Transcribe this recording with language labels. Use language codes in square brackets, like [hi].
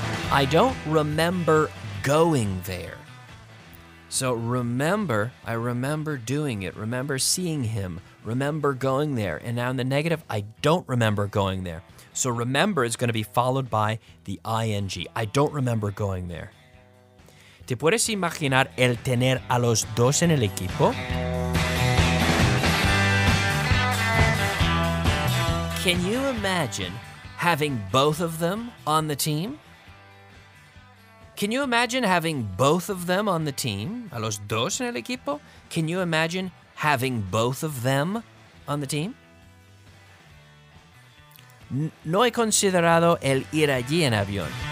[en] I don't remember going there. So remember, I remember doing it, remember seeing him, remember going there. And now in the negative, I don't remember going there. So remember is going to be followed by the ing. I don't remember going there. [es] ¿Te puedes imaginar el tener a los dos en el equipo? [en] Can you imagine having both of them on the team? Can you imagine having both of them on the team? [es] A los dos en el equipo? [en] Can you imagine having both of them on the team? [es] No he considerado el ir allí en avión.